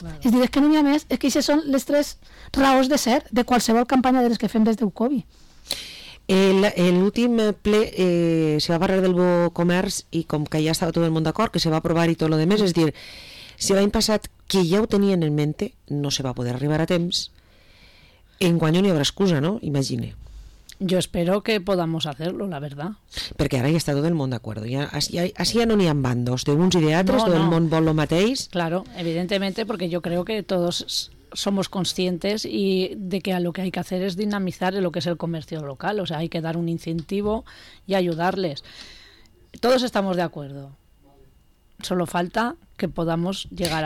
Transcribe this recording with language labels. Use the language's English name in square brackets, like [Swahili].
[Catalan] Clar. És a dir, que no n'hi ha més, és que aquestes són les tres raons de ser de qualsevol campanya de les que fem des del Covid. L'últim ple se va parlar del bo comerç i com que ja estava tot el món d'acord, que se va aprovar i tot el demés, és a dir, si l'any passat que ja ho tenien en mente no se va poder arribar a temps, enguany no hi haurà excusa, no? Imagine. [Spanish] Jo espero que podamos hacerlo, la verdad. [Catalan] Perquè ara hi està tot el món d'acord. Així ja no n'hi ha bandos, d'uns i d'altres, tot el món vol el mateix. [Spanish] Claro, evidentemente, porque yo creo que todos somos conscientes y de que lo que hay que hacer es dinamizar lo que es el comercio local. O sea, hay que dar un incentivo y ayudarles. Todos estamos de acuerdo. Solo falta que podamos llegar a